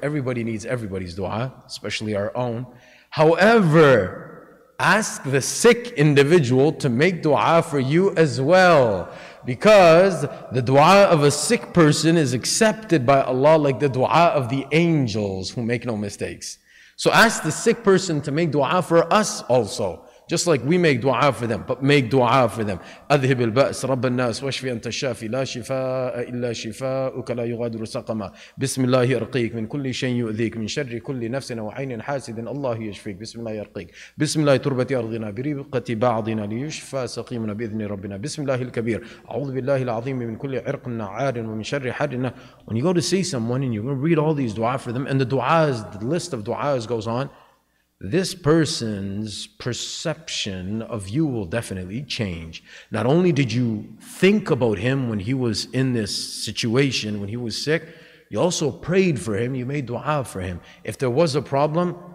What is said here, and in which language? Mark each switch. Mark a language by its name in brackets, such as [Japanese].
[English] Everybody needs everybody's dua, especially our own. However, ask the sick individual to make dua for you as well. Because the dua of a sick person is accepted by Allah like the dua of the angels who make no mistakes. So ask the sick person to make dua for us also. Just like we make dua for them, but make dua for them. [Arabic] أذهب البأس رب الناس واشفي أنت الشافي لا شفاء إلا شفاءك لا يغادر سقما بسم الله يرقيك من كل شيء يؤذيك من شر كل نفس أو عين حاسد الله يشفيك بسم الله يرقيك بسم الله تربة أرضنا بريقة بعضنا ليشفى سقيمنا بإذن ربنا بسم الله الكبير أعوذ بالله العظيم من كل عرق نعار ومن شر حرنا. [English] When you go to see someone and you read all these dua for them, and the duas, the list of duas goes on, this person's perception of you will definitely change. Not only did you think about him when he was in this situation, when he was sick, you also prayed for him, you made dua for him. If there was a problem,